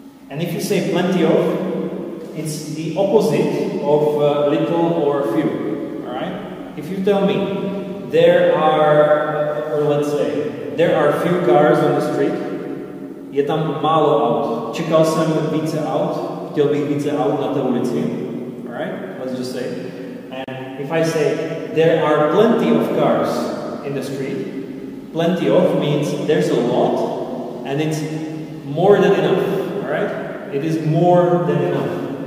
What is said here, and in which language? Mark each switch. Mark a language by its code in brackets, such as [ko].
[en] And if you say plenty of, it's the opposite of little or few, all right? If you tell me there are few cars on the street, [cs] je tam málo aut, čekal jsem více aut, chtěl bych více aut na té ulici, [en] all right? Let's just say. And if I say there are plenty of cars in the street, plenty of means there's a lot and it's more than enough, all right? It is more than enough.